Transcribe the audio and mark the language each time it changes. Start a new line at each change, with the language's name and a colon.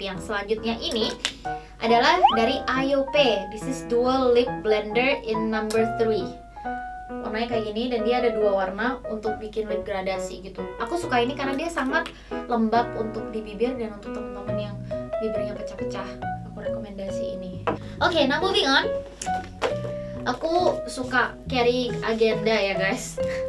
Indonesian: Yang selanjutnya ini adalah dari Ayope.
English: This is dual lip blender in number 3.
Indonesian: Warnanya kayak gini dan dia ada dua warna untuk bikin lip gradasi gitu. Aku suka ini karena dia sangat lembab untuk di bibir dan untuk teman-teman yang bibirnya pecah-pecah, aku rekomendasi ini. Oke,
English: okay, now moving on.
Indonesian: Aku suka carry agenda ya guys.